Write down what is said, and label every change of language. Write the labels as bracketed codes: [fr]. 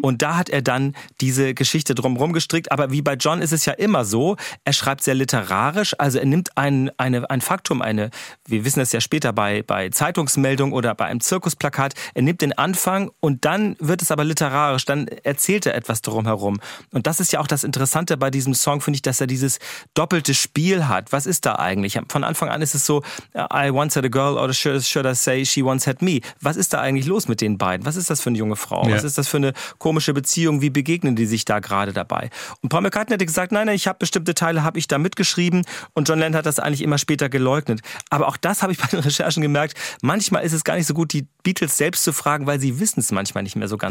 [de] Und da hat er dann diese Geschichte drumherum gestrickt. Aber wie bei John ist es ja immer so, er schreibt sehr literarisch, also er nimmt ein Faktum, wir wissen das ja später bei Zeitungsmeldungen oder bei einem Zirkusplakat, er nimmt den Anfang und dann wird es aber literarisch, dann erzählt er etwas drumherum. Und das ist ja auch das Interessante bei diesem Song, finde ich, dass er dieses doppelte Spiel hat. Was ist da eigentlich? Von Anfang an ist es so, [en] I once had a girl, or should I say, she once had me. [de] Was ist da eigentlich los mit den beiden? Was ist das für eine junge Frau? Ja. Was ist das für eine komische Beziehung? Wie begegnen die sich da gerade dabei? Und Paul McCartney hätte gesagt, nein, ich habe bestimmte Teile, habe ich da mitgeschrieben. Und John Lennon hat das eigentlich immer später geleugnet. Aber auch das habe ich bei den Recherchen gemerkt. Manchmal ist es gar nicht so gut, die Beatles selbst zu fragen, weil sie wissen es manchmal nicht mehr so ganz